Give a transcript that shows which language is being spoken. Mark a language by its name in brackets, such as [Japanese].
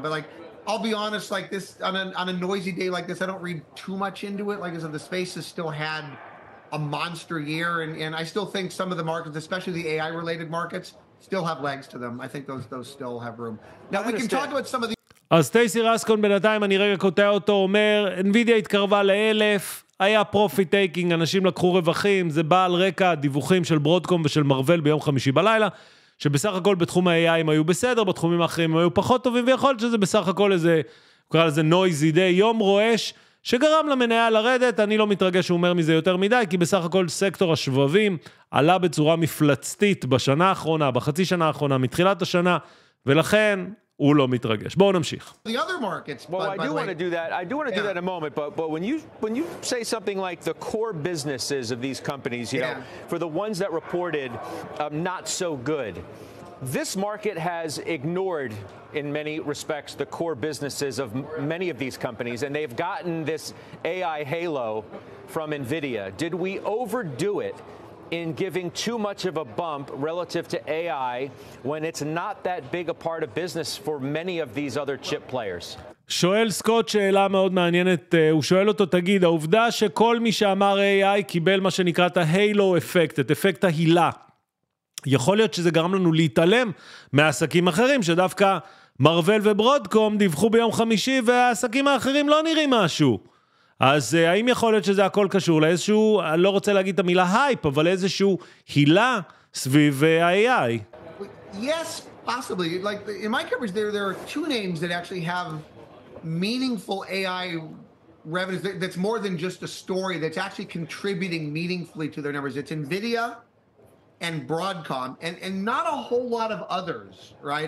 [English] But like, I'll be honest, like this, on a noisy day like this, I don't read too much into it. Like I said, the space has still had a monster year. And I still think some of the markets, especially the AI-related markets, still have legs to them. I think those still have room. Now, we can talk about some of the... [Hebrew] אז סטייסי רסקון בינתיים, אני רגע קוטע אותו, אומר, NVIDIA התקרבה ל-1,000, היה [English] profit taking, [Hebrew] אנשים לקחו רווחים, זה בא על רקע דיווחים של ברודקום ושל מרוול ביום חמישי בלילה, שבסך הכל בתחום ה-AI הם היו בסדר, בתחומים האחרים הם היו פחות טובים, ויכול להיות שזה בסך הכל איזה, קרא לזה [English] noisy day, [Hebrew] יום רועש, שגרם למניה לרדת, אני לא מתרגש שהוא אומר מזה יותר מדי, כי בסך הכל סקטור השבבים עלה בצורה מפלצתית בשנה האחרונה, בחצי שנה האחרונה, מתחילת השנה, ולכן... הוא לא מתרגש. בואו נמשיך. [English] The other markets, well, I do want to do that. I do want to do that in a moment, but when you say something like the core businesses of these companies, you know, for the ones that reported not so good. This market has ignored in many respects the core businesses of many of these companies, and they've gotten this AI halo from Nvidia. Did we overdo it in giving too much of a bump relative to AI when it's not that big a part of business for many of these other chip players? [Hebrew] שואל סקוט שאלה מאוד מעניינת, הוא שואל אותו, תגיד, העובדה שכל מי שאמר AI קיבל מה שנקרא את ה- [English] Halo effect, [Hebrew] את אפקט ההילה, יכול להיות שזה גרם לנו להתעלם מהעסקים אחרים, שדווקא מרוול וברודקום דיווחו ביום חמישי והעסקים האחרים לא נראים משהו. אז האם יכול להיות שזה הכל קשור לאיזשהו, אני לא רוצה להגיד את המילה הייפ, אבל איזשהו הילה סביב ה-AI? [English] Yes, possibly. Like, in my coverage, there are two names that actually have meaningful AI revenues that's more than just a story, that's actually contributing meaningfully to their numbers. It's NVIDIA and Broadcom, and not a whole lot of others, right?